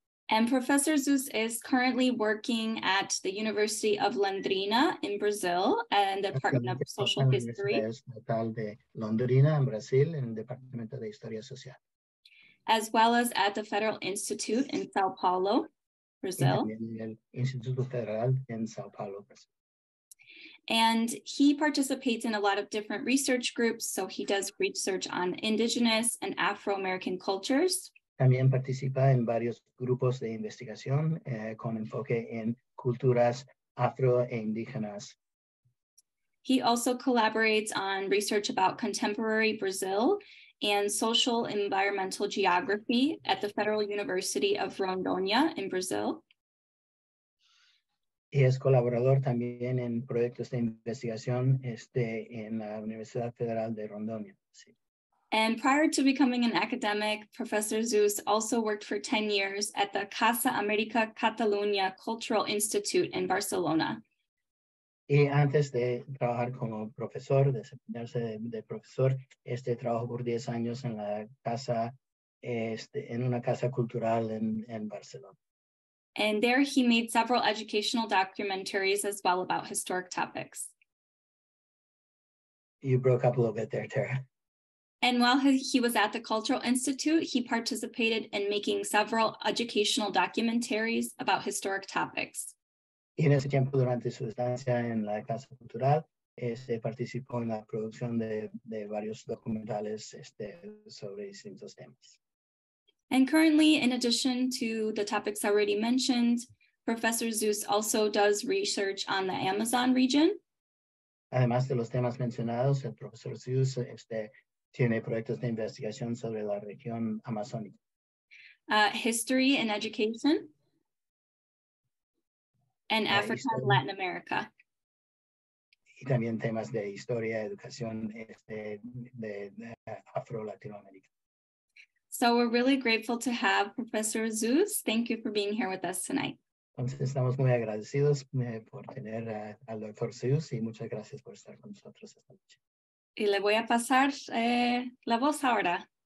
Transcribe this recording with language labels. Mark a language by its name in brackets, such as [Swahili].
[English] And Professor Zeus is currently working at the University of Londrina in Brazil and the Department of Social History. [Spanish] Es natal de Londrina en Brasil en el Departamento de Historia Social. [English] As well as at the Federal Institute in Sao Paulo, Brazil. [Spanish] El Instituto Federal en Sao Paulo, Brasil. [English] And he participates in a lot of different research groups. So he does research on indigenous and Afro-American cultures. [Spanish] También participa en varios grupos de investigación con enfoque en culturas afro e indígenas. [English] He also collaborates on research about contemporary Brazil and social environmental geography at the Federal University of Rondônia in Brazil. [Spanish] Y es colaborador también en proyectos de investigación en la Universidad Federal de Rondônia. Sí. [English] And prior to becoming an academic, Professor Zeus also worked for 10 years at the Casa América Catalunya Cultural Institute in Barcelona. [Spanish] Y antes de trabajar como profesor, desempeñarse de profesor, trabajó por 10 años en la casa, en una casa cultural en Barcelona. [English] And there he made several educational documentaries as well about historic topics. You broke up a little bit there, Tara. And while he was at the Cultural Institute, he participated in making several educational documentaries about historic topics. [Spanish] Y en ese tiempo, durante su estancia en la Casa Cultural, participó en la producción de varios documentales sobre distintos temas. [English] And currently, in addition to the topics already mentioned, Professor Zeus also does research on the Amazon region. [Spanish] Además de los temas mencionados, el Profesor Zeus tiene proyectos de investigación sobre la región amazónica. [English] History and education. And Africa and Latin America. [Spanish] Y también temas de historia, educación de Afro-Latinoamérica. [English] So we're really grateful to have Professor Zeus. Thank you for being here with us tonight. [Spanish] Entonces estamos muy agradecidos por tener al Dr. Zeus y muchas gracias por estar con nosotros esta noche. Y le voy a pasar la voz ahora.